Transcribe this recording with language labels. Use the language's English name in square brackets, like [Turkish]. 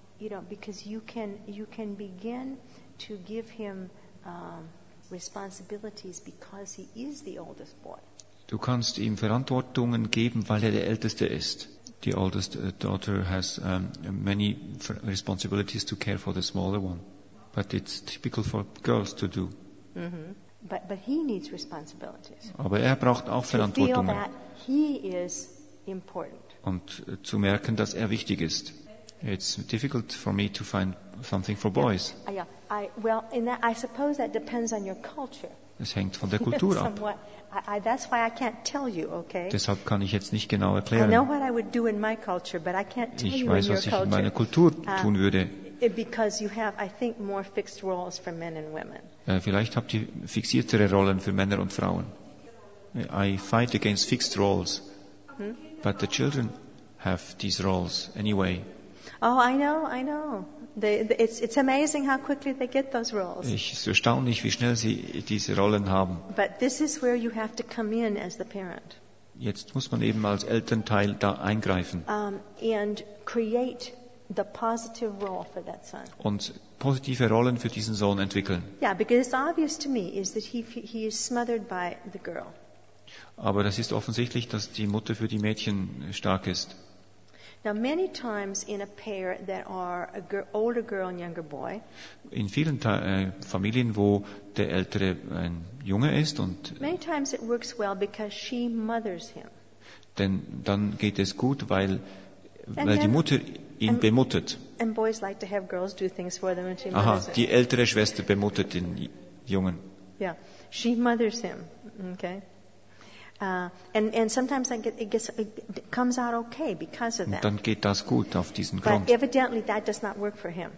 [English] You know, because you can begin to give him responsibilities because he is the oldest boy. [German] Du kannst ihm Verantwortungen geben, weil er der Älteste ist. [English] The oldest daughter has many responsibilities to care for the smaller one, but it's typical for girls to do. Mm-hmm. But he needs responsibilities. [German] Aber er braucht auch Verantwortungen. [English] To feel that he is important. [German] Und zu merken, dass er wichtig ist. [English] It's difficult for me to find something for boys. I suppose that depends on your culture. [German] Es hängt von der Kultur ab. [English] That's why I can't tell you, okay? [German] Deshalb kann ich jetzt nicht genau erklären. [English] I know what I would do in my culture, but I can't tell [German] ich [English] you [German] weiß, [English] in your culture. [German] Ich weiß, was ich in meiner Kultur tun würde. [English] Because you have, I think, more fixed roles for men and women. [German] Vielleicht habt ihr fixiertere Rollen für Männer und Frauen. [English] I fight against fixed roles, but the children have these roles anyway. Oh, I know. It's amazing how quickly they get those roles. [German] Ich ist erstaunlich, wie schnell sie diese Rollen haben. [English] But this is where you have to come in as the parent. [German] Jetzt muss man eben als Elternteil da eingreifen. [English] And create the positive role for that son. [German] Und positive Rollen für diesen Sohn entwickeln. [English] Yeah, because it's obvious to me is that he is smothered by the girl. [German] Aber das ist offensichtlich, dass die Mutter für die Mädchen stark ist. [English] Now many times in a pair that are a older girl and younger boy. [German] In vielen Familien, wo der ältere ein Junge ist und [English] many times it works well because she mothers him. [German] Denn dann geht es gut, weil die Mutter ihn bemuttert. [English] And boys like to have girls do things for them and she mothers him. [German] Die ältere Schwester bemuttert den Jungen. [English] Yeah, she mothers him. Okay. And sometimes it comes out okay because of that. [German] Und dann geht das gut auf diesen [English] But [German] Grund. [English] But evidently that does not work for him.